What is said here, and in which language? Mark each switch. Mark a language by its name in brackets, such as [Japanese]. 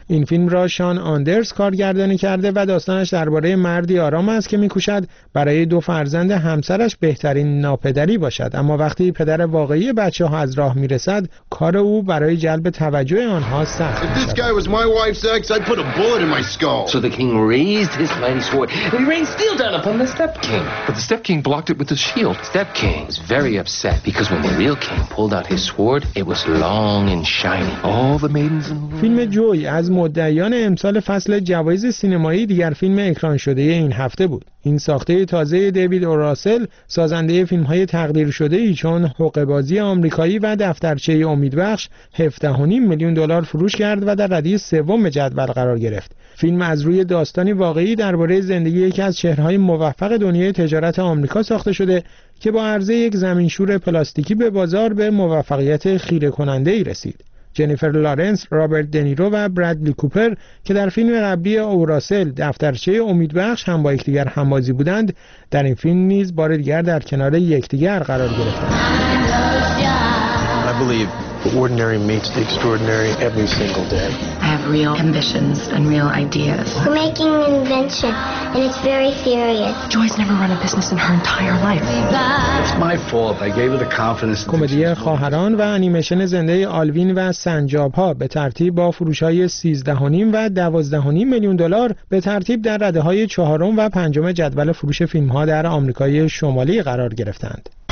[Persian] این فیلم را شان آندرز کارگردانی کرده و داستانش درباره مردی آرام است که می‌کوشد برای 2 فرزند همسرش بهترین ناپدری باشد، اما وقتی پدر در واقعی بچه ها از راه میرسد کار او برای جلب توجه آنها سخت شد. [English] So the king raised his mighty sword and he rained steel down upon the step king. But the step king blocked it with his shield. Step king was very upset because when the real king pulled out his sword it was long and shiny. All the maidens in the world. [Persian] فیلم جوی از مدعیان امسال فصل جوایز سینمایی دیگر فیلم اکران شده این هفته بود. این ساخته تازه دیوید اوراسل سازنده فیلم‌های تقدیر شده ای چون حقه‌بازی آمریکایی و دفترچه امیدبخش 17.5 میلیون دلار فروش کرد و در رده سوم جدول قرار گرفت. فیلم از روی داستانی واقعی درباره زندگی یکی از چهره‌های موفق دنیای تجارت آمریکا ساخته شده که با عرضه یک زمینشور پلاستیکی به بازار به موفقیت خیره‌کننده‌ای رسید. جنیفر لارنس، رابرت دنیرو و برادلی کوپر که در فیلم قبلی اوراسل دفترچه امیدبخش هم با یکدیگر همبازی بودند، در این فیلم نیز بار دیگر در کنار یکدیگر قرار گرفتند. [English] I believe ordinary meets the extraordinary every single day. I have real ambitions and real ideas. We're making an invention and it's very serious. Joy's never run a business in her entire life. It's my fault. I gave her the confidence. [Persian] کمدی خواهران و انیمیشن زنده آلوین و سنجاب‌ها به ترتیب با فروش‌های 13.5 و 12.5 میلیون دلار به ترتیب در رده‌های 4 و 5 جدول فروش فیلم‌ها در آمریکای شمالی قرار گرفتند.